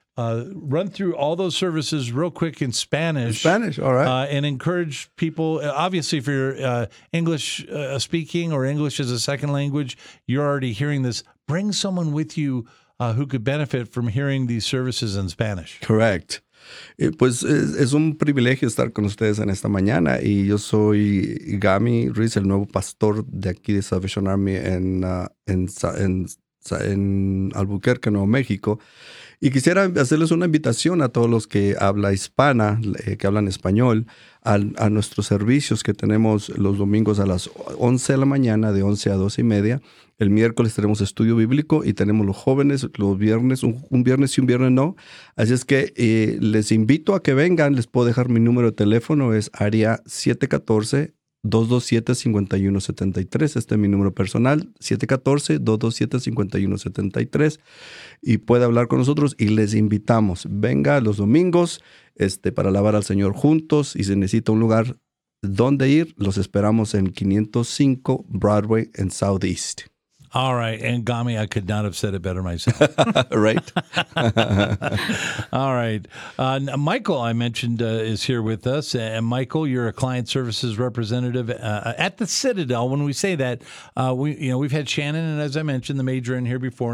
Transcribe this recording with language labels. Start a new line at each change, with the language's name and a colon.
English: Run through all those services real quick in Spanish. In Spanish, all right. And encourage people, obviously, if you're English speaking or English as a second language, you're already hearing this. Bring someone with you who could benefit from hearing these services in Spanish. Correct.
Spanish: Pues es un privilegio estar con ustedes en esta mañana. Y yo soy Gami Ruiz, el nuevo pastor de aquí de Salvation Army en Albuquerque, Nuevo México. Y quisiera hacerles una invitación a todos los que hablan hispana, que hablan español, a nuestros servicios que tenemos los domingos a las 11 de la mañana, de 11 a 12 y media. El miércoles tenemos estudio bíblico y tenemos los jóvenes los viernes, un viernes y un viernes no. Así es que les invito a que vengan. Les puedo dejar mi número de teléfono, es área 714-227-5173. Este es mi número personal, 714-227-5173. Y puede hablar con nosotros y les invitamos. Venga los domingos para alabar al Señor juntos. Y si necesita un lugar donde ir, los esperamos en 505 Broadway en Southeast.
English: All right. And Gami, I could not have said it better myself. Right. All right. Michael, I mentioned, is here with us. And Michael, you're a client services representative at the Citadel. When we say that, we've had Shannon, and as I mentioned, the major in here before.